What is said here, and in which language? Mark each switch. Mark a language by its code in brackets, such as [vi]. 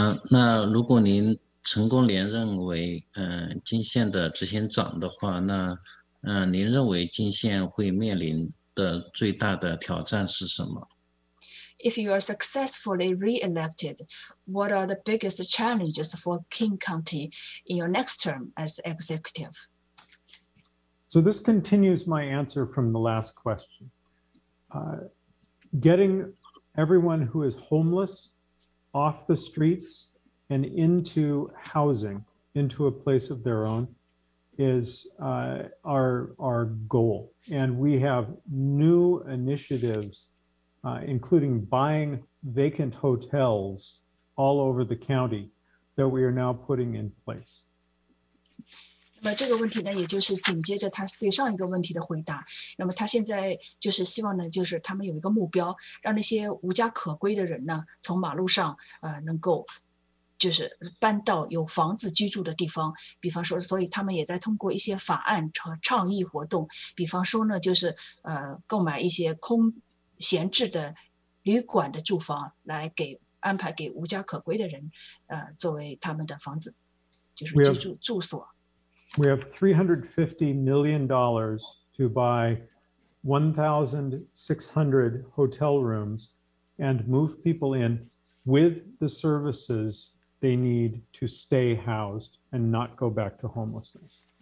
[zh] 那如果您成功连任为金县的执行长的话，那您认为金县会面临的最大的挑战是什么？ [en] If you are successfully re-elected, what are the biggest challenges for King County in your next term as executive? So this continues my answer from the last question. Getting everyone who is homeless. Off the streets and into housing, into a place of their own, is our goal. And we have new initiatives, including buying vacant hotels all over the county that we are now putting in place. [zh] 那么这个问题呢，也就是紧接着他对上一个问题的回答。那么他现在就是希望呢，就是他们有一个目标，让那些无家可归的人呢，从马路上能够就是搬到有房子居住的地方。比方说，所以他们也在通过一些法案和倡议活动，比方说呢，就是购买一些空闲置的旅馆的住房，来给安排给无家可归的人，作为他们的房子，就是住所。 [en] We have $350 million to buy 1,600 hotel rooms and move people in with the services they need to stay housed and not go back to homelessness.